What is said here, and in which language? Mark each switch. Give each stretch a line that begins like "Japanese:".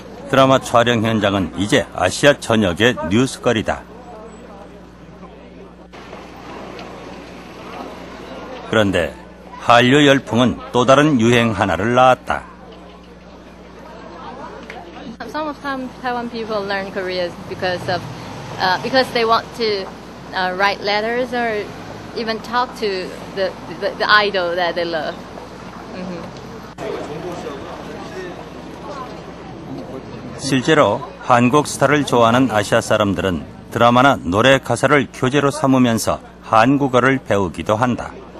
Korean: 드라마 촬영 현장은 이제 아시아 전역의 뉴스거리다. 그런데 한류 열풍은 또 다른 유행 하나를 낳았다.
English: Some of time Taiwan people learn Korean because they want to write letters or even talk to the idol that they love. Mm-hmm.
Korean: 실제로 한국 스타를 좋아하는 아시아 사람들은 드라마나 노래 가사를 교재로 삼으면서 한국어를 배우기도 한다.